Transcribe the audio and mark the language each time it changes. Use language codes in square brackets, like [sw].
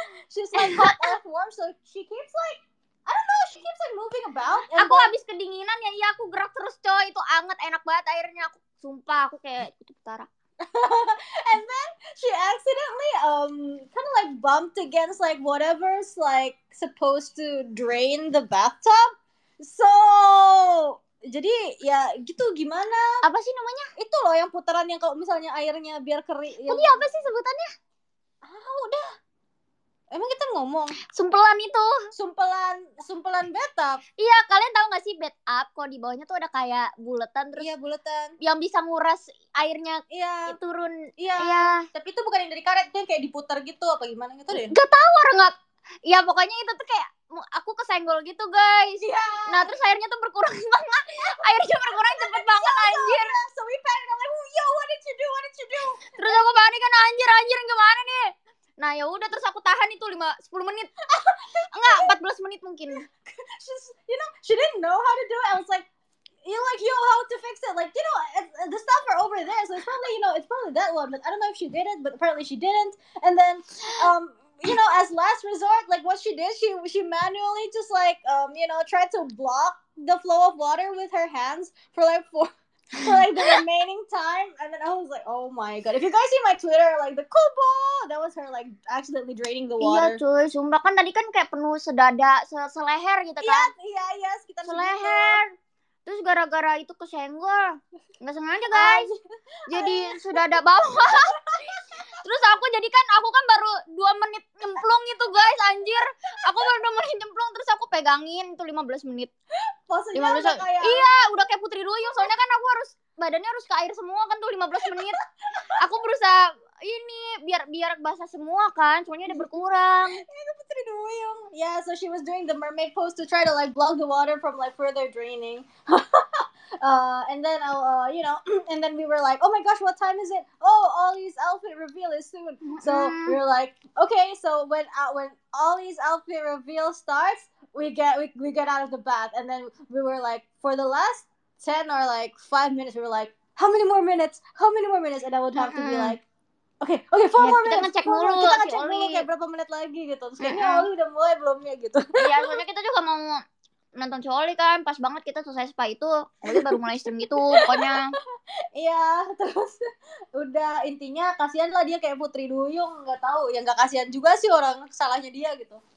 [en] She's like hot earthworm, so she keeps like, I don't know, she keeps like moving about. [id] Aku then, habis kedinginan ya, iya aku gerak terus coy, itu anget, enak banget airnya. Aku sumpah, aku kayak itu putara. [en] And then she accidentally kind of like bumped against like whatever's like supposed to drain the bathtub. [id] So jadi ya gitu, gimana? Apa sih namanya? Itu loh yang putaran yang kalau misalnya airnya biar kering. Tadi yang... apa sih sebutannya? Ah udah. Emang kita ngomong? Sumpelan itu. Sumpelan bathtub. Iya, kalian tahu nggak sih bathtub? Kalau di bawahnya tuh ada kayak buletan terus. Iya buletan. Yang bisa nguras airnya. Iya. Turun. Iya. Iya. Tapi itu bukan yang dari karet, itu yang kayak diputar gitu apa gimana gitu deh. Gak tahu orang nggak. Ya pokoknya itu tuh kayak. Aku kesenggol gitu guys. [en] Yeah. [id] Nah terus airnya tuh berkurang banget. Airnya berkurang cepet banget anjir. [en] So we panic, I'm like, yo what did you do? [id] Terus aku panik kan, anjir gimana nih. Nah ya udah terus aku tahan itu 5-10 menit. Enggak, 14 menit mungkin. [en] You know, she didn't know how to do it. I was like, you like, yo, how to fix it. Like, you know, the stuff are over there. So it's probably that one. But I don't know if she did it, but apparently she didn't. And then you know, as last resort, like what she did, she manually just like you know, tried to block the flow of water with her hands for like the remaining time. And then I was like, oh my god. If you guys see my Twitter, like the kubo, that was her like accidentally draining the water. [id] Iya cuy, sumpah kan tadi kan kayak penuh sedada, seleher gitu kan. Iya, sekitar seleher. Terus gara-gara itu kesenggol, nggak sengaja guys, jadi sudah ada bawah. Terus aku kan baru 2 menit nyemplung itu guys, anjir. Aku baru 2 menit nyemplung, terus aku pegangin itu 15 menit. Posenya udah kayak... Iya, udah kayak putri duyung, soalnya kan aku harus, badannya harus ke air semua kan tuh 15 menit. Aku berusaha ini, biar basah semua kan, soalnya udah berkurang. Ini putri duyung. [en] Yeah, so she was doing the mermaid pose to try to like block the water from like further draining. and then we were like, oh my gosh, what time is it? Oh, Ollie's outfit reveal is soon. Mm-hmm. So we were like, okay, so when Ollie's outfit reveal starts, we get out of the bath. And then we were like, for the last 10 or like 5 minutes, we were like, how many more minutes? And I would have to be like, okay, 4 more minutes. [id] Kita ngecek mulu, kita ngecek mulu kayak berapa menit lagi gitu. Terus kayaknya Ollie udah mulai belumnya gitu. Iya, soalnya kita juga mau nonton Choli kan, pas banget kita selesai spa itu, Choli baru mulai stream gitu, pokoknya. Iya, terus udah intinya kasihan lah dia kayak putri duyung, nggak tahu, ya nggak kasihan juga sih orang, salahnya dia gitu.